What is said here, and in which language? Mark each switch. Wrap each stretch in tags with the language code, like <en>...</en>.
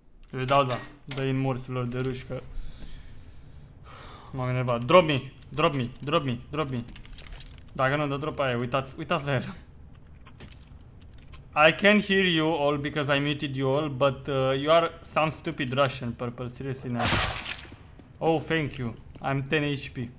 <ro>Le dau, da, dă-i în morților de ruși, că m-am enervat.</ro> <en>Drop me, drop me, drop me, drop me.</en> <ro>Dacă nu, dă drop aia, uitați, uitați la el.</ro> <en>I can hear you all because I muted you all, but you are some stupid Russian purple, seriously now. Oh, thank you, I'm 10 HP.</en>